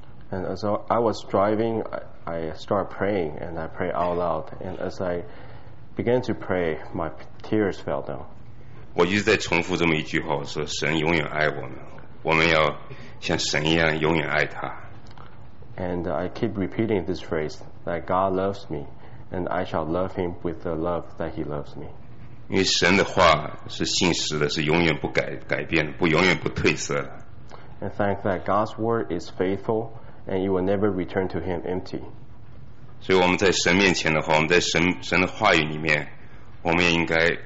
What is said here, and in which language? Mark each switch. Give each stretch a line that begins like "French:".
English: And so I was driving, I started praying, and I prayed out loud, and as I began to pray, my tears fell down.
Chinese: 我一直在重复这么一句话，我说神永远爱我们，我们要像神一样永远爱他。
English: And I keep repeating this phrase that God loves me, and I shall love Him with the love that He loves me.
Chinese: 因为神的话是信实的，是永远不改变，不永远不褪色的。
English: And thank that God's word is faithful, and it will never return to Him empty.
Chinese: 所以我们在神面前的话，我们在神的话语里面，我们也应该。